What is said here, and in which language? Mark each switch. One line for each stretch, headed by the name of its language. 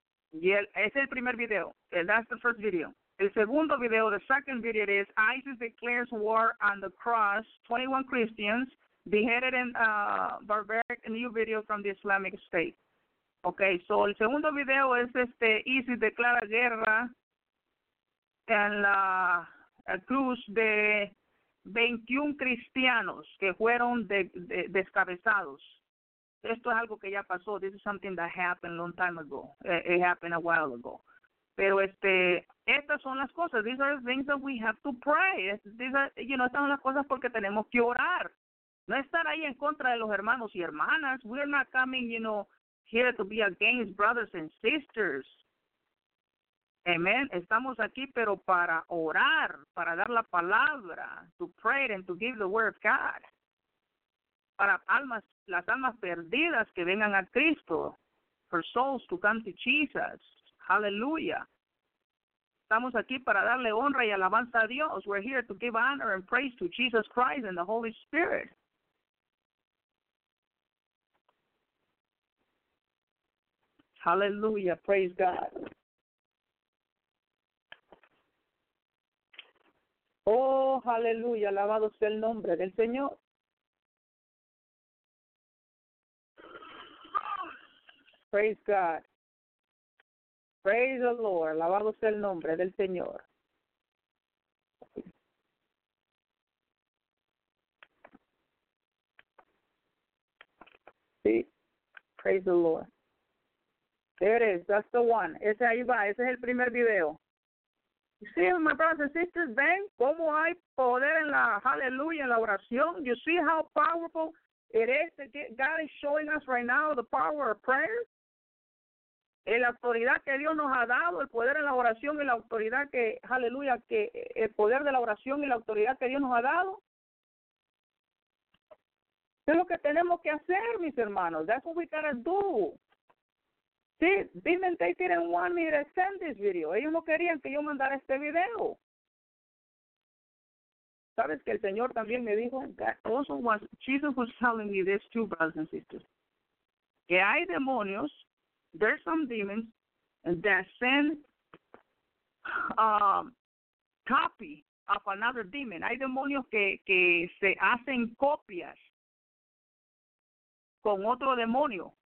Spanish: Y ese es el primer video.
English: That's the first video.
Spanish: El segundo video,
English: the second video is ISIS declares war on the cross, 21 Christians beheaded in a barbaric new video from the Islamic State.
Spanish: Okay, so el segundo video es ISIS declara guerra en la cruz de 21 cristianos que fueron descabezados. Esto es algo que ya pasó.
English: This is something that happened a long time ago. It happened a while ago.
Spanish: Pero estas son las cosas.
English: These are the things that we have to pray.
Spanish: Estas son las cosas porque tenemos que orar. No estar ahí en contra de los hermanos y hermanas.
English: We're not coming, here to be against brothers and sisters.
Spanish: Amen. Estamos aquí, pero para orar, para dar la palabra,
English: to pray and to give the word of God.
Spanish: Para las almas perdidas que vengan a Cristo.
English: For souls to come to Jesus. Hallelujah.
Spanish: Estamos aquí para darle honra y alabanza a Dios.
English: We're here to give honor and praise to Jesus Christ and the Holy Spirit. Hallelujah. Praise God. Oh, hallelujah.
Spanish: Alabado sea el nombre del Señor.
English: Praise God. Praise the Lord.
Spanish: Alabado sea el nombre del Señor.
English: Sí. Praise the Lord. There it is. That's the one.
Spanish: Ese ahí va.
English: Ese es el primer video. You see, my brothers and sisters,
Spanish: ven cómo hay poder en la hallelujah, en la oración.
English: You see how powerful it is that God is showing us right now, the power of prayer.
Spanish: La autoridad que Dios nos ha dado, el poder en la oración y la autoridad que, aleluya, que el poder de la oración y la autoridad que Dios nos ha dado. Es lo que tenemos que hacer, mis hermanos.
English: That's what we gotta do. See, even they didn't want me to send this video.
Spanish: Ellos no querían que yo mandara este video. ¿Sabes que el Señor también me dijo?
English: Jesus was telling me this too, brothers and sisters.
Spanish: Que hay demonios.
English: There's some demons that send copy of another demon.
Spanish: Hay demonios que se hacen copias con otro demonio.